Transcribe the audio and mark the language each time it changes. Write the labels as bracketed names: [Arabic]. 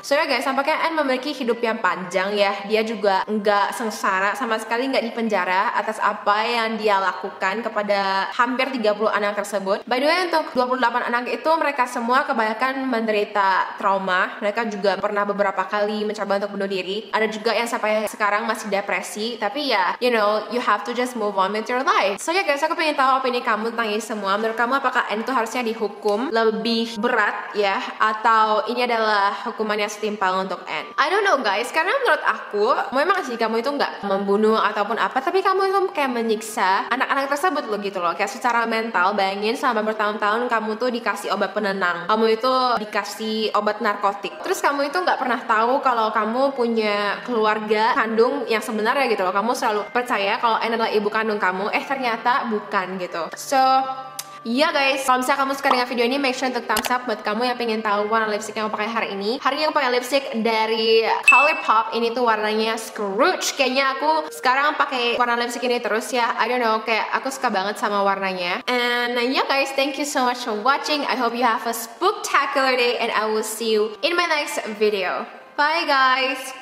[Indonesian] So ya guys, sampai Anne memiliki hidup yang panjang ya, dia juga nggak sengsara, sama sekali nggak di penjara atas apa yang dia lakukan kepada hampir 30 anak tersebut. By the way, untuk 28 anak itu, mereka semua kebanyakan menderita trauma. Mereka juga pernah beberapa kali mencoba untuk bunuh diri. Ada juga yang sampai sekarang masih depresi. Tapi ya, [English] you know, you have to just move on with your life. [Indonesian] So ya guys, aku pengen tahu opini kamu tentang ini semua. Menurut kamu, apakah Anne itu harusnya dihukum lebih berat ya? Atau ini adalah hukuman yang setimpal untuk Anne? [English] I don't know guys, [Indonesian] karena menurut aku, memang sih kamu itu nggak membunuh ataupun apa, tapi kamu itu kayak menyiksa anak-anak tersebut loh gitu loh. Kayak secara mental, bayangin selama bertahun-tahun kamu tuh dikasih obat penenang, kamu itu dikasih obat narkotik, terus kamu itu nggak pernah tahu kalau kamu punya keluarga kandung yang sebenarnya gitu loh. Kamu selalu percaya kalau Anne adalah ibu kandung kamu, ternyata bukan gitu. So iya guys, kalau misalnya kamu suka dengan video ini, [English] make sure [Indonesian] untuk [English] thumbs up [Indonesian] buat kamu yang pengen tahu warna lipstick yang aku pakai hari ini. Hari ini aku pakai lipstick dari ColourPop, ini tuh warnanya Scrooge. Kayaknya aku sekarang pakai warna lipstick ini terus ya. [English] I don't know, [Indonesian] kayak aku suka banget sama warnanya. [English] And yeah guys, thank you so much for watching. I hope you have a spooktacular day and I will see you in my next video. Bye guys.